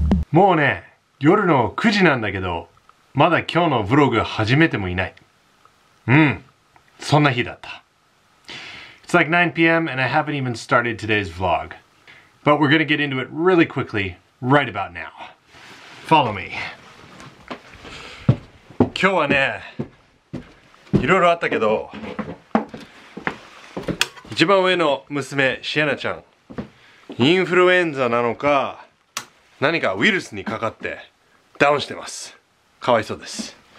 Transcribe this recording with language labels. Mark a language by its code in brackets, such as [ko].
[ja] もうね、夜の9時なんだけど、まだ今日のブログ始めてもいない。そんな日だった。 [en] It's like 9 PM and I haven't even started today's vlog. But we're gonna get into it really quickly, right about now. Follow me. [ja] 今日はね、いろいろあったけど、一番上の娘、シエナちゃん、インフルエンザなのか、何かウイルスにかかってダウンしてます。かわいそうです。